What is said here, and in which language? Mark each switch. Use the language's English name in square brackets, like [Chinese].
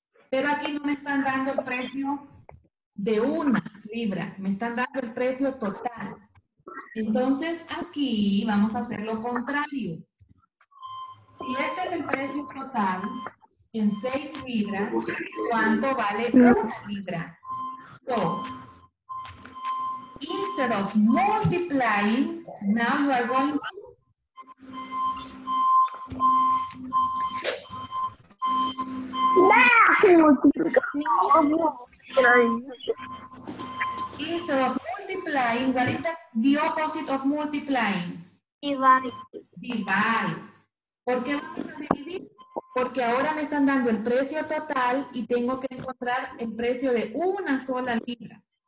[Spanish] Pero aquí no me están dando el precio de una libra. Me están dando el precio total. Entonces aquí vamos a hacer lo contrario. Si este es el precio total, en 6 libras, ¿cuánto vale una libra? [English] So, instead of multiplying, now you are going to instead of multiplying, what is the opposite of multiplying? Divide. [Spanish] ¿Por qué vamos a dividir? Porque ahora me están dando el precio total y tengo que encontrar el precio de una sola libra.